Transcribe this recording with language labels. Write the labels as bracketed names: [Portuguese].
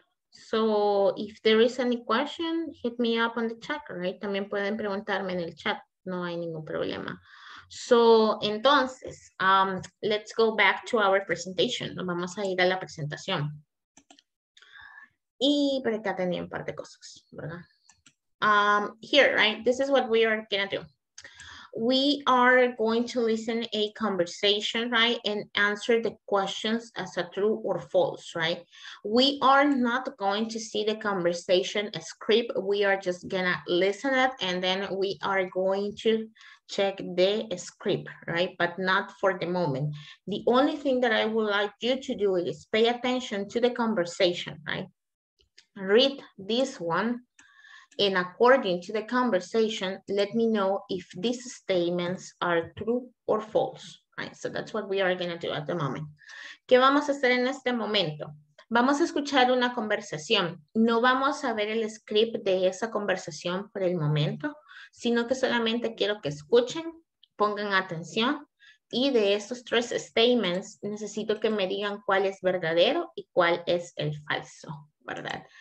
[English] So, if there is any question, hit me up on the chat, right? [Spanish] También pueden preguntarme en el chat. No hay ningún problema. [English] So, entonces, let's go back to our presentation. [Spanish] Nos vamos a ir a la presentación. Y por acá tenía un par de cosas, ¿verdad? [English] Here, right? This is what we are going to do. We are going to listen a conversation, right? And answer the questions as a true or false, right? We are not going to see the conversation script. We are just gonna listen it and then we are going to check the script, right? But not for the moment. The only thing that I would like you to do is pay attention to the conversation, right? Read this one. And according to the conversation, let me know if these statements are true or false. Right, so that's what we are going to do at the moment. [Spanish] ¿Qué vamos a hacer en este momento? Vamos a escuchar una conversación. No vamos a ver el script de esa conversación por el momento, sino que solamente quiero que escuchen, pongan atención. Y de esos tres statements, necesito que me digan cuál es verdadero y cuál es el falso, ¿verdad?